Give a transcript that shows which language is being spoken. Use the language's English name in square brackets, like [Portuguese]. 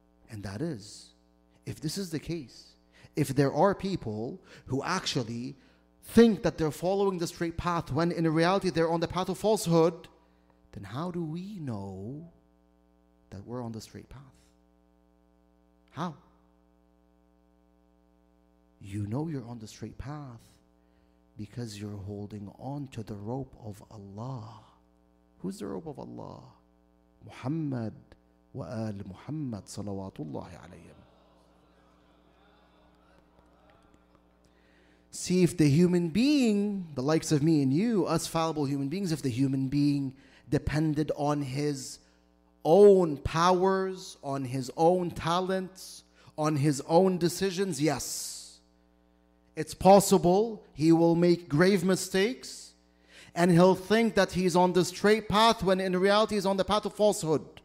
[English] And that is, if this is the case, if there are people who actually think that they're following the straight path when in reality they're on the path of falsehood, then how do we know that we're on the straight path? How? You know you're on the straight path because you're holding on to the rope of Allah. Who's the rope of Allah? Muhammad. [Arabic] وآل محمد صلوات الله عليهم. [English] See, if the human being, the likes of me and you, us fallible human beings, if the human being depended on his own powers, on his own talents, on his own decisions, yes, it's possible he will make grave mistakes and he'll think that he's on the straight path when in reality he's on the path of falsehood.